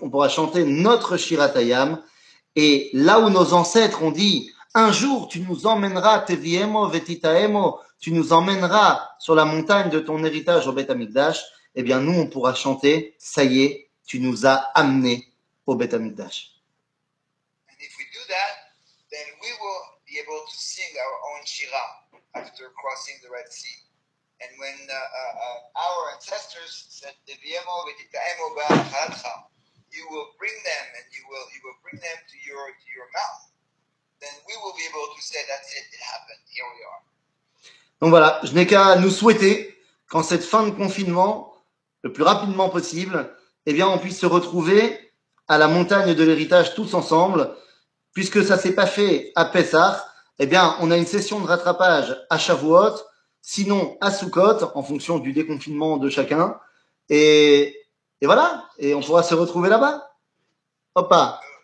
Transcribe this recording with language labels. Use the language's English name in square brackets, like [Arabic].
[French] On pourra chanter notre Shirat Hayam. Et là où nos ancêtres ont dit, un jour, tu nous emmèneras, Teviemo, Vetitaemo, tu nous emmèneras sur la montagne de ton héritage au Beth Amikdash, eh bien, nous, on pourra chanter, ça y est, tu nous as amenés au Beth Amikdash. [English] And if we do that, then we will be able to sing our own Shira after crossing the Red Sea. And when our ancestors said, Deviemo, Vetitaemo, Ba'alcha, you will bring them to your mouth, then we will be able to say, that's it, it happened, here we are. [French] Donc voilà, je n'ai qu'à nous souhaiter qu'en cette fin de confinement, le plus rapidement possible, eh bien, on puisse se retrouver à la montagne de l'héritage tous ensemble. Puisque ça ne s'est pas fait à Pessah, eh bien, on a une session de rattrapage à Shavuot, sinon à Sukkot, en fonction du déconfinement de chacun. Et voilà, et on pourra se retrouver là-bas. Hoppa.